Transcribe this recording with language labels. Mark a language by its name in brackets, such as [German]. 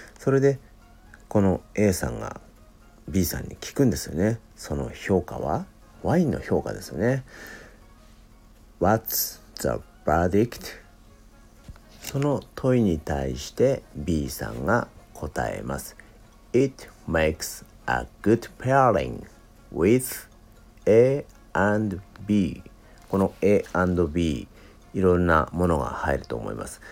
[Japanese] それでこの A さんが B さんに聞くんですよね。その評価はワインの評価ですよね。 [English] What's the verdict? [Japanese] その問いに対して B さんが答えます。 [English] It makes a good pairing with A and B。 [Japanese] この A&B、 いろんなものが入ると思います。